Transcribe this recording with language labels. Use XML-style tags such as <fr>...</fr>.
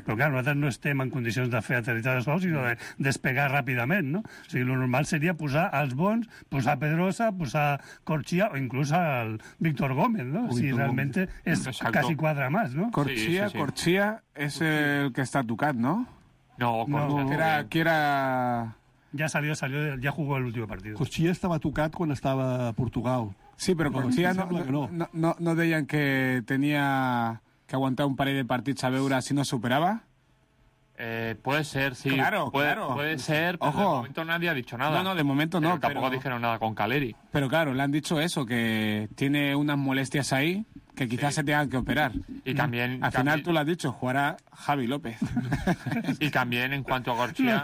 <ca>Però clar, nosaltres no estem en condicions de fer aterritatge suau, sinó de despegar ràpidament, no? O sigui, el normal seria posar els bons, posar Pedrosa, posar Corchia, o inclús el Víctor Gómez, no? O sigui, realment és exacto, quasi quadre més, no? Corchia, sí. Corchia és el que està tocat, no? No, Corchia. No. Qui era...</ca> <es>Ja salió, ja jugó el último partido.</es> <ca>Corchia estava tocat quan estava a Portugal. Sí, però Corchia no deien que tenia que aguantar un parell de partits a veure si no superava?</ca> <es>Puede ser, sí. Claro, claro. Puede ser, pero ojo, de momento nadie ha dicho nada. No, de momento no. Pero tampoco dijeron nada con Caleri. Pero claro, le han dicho eso, que tiene unas molestias ahí que quizás sí, se tengan que operar. Y también... Al final tú lo has dicho, jugará Javi López. Y también en cuanto a Corchia...</es>